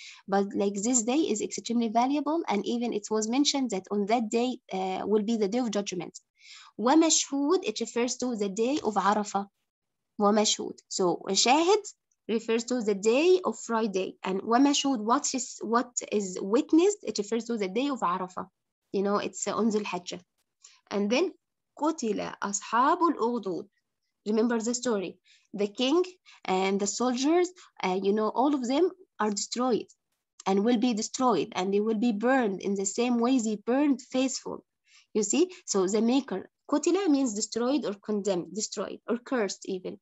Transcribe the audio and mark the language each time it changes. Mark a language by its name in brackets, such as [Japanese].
[English] But like this day is extremely valuable. And even it was mentioned that on that day will be the day of judgment. [Arabic] وَمَشْهُود, [English] it refers to the day of Arafah. [Arabic] وَمَشْهُود. [English] So [Arabic] وَشَاهِد [English] refers to the day of Friday. And [Arabic] وَمَشْهُود, [English] what is witnessed, it refers to the day of Arafah. It's on Dhul Hijjah. And then [Arabic] قُتِلَ أَصْحَابُ الْأُغْدُودِ. [English] Remember the story. The king and the soldiers, all of them are destroyed and will be destroyed, and they will be burned in the same way they burned faithful. You see? So the maker, [Arabic] قُتِلَ [English] means destroyed or condemned, destroyed or cursed even.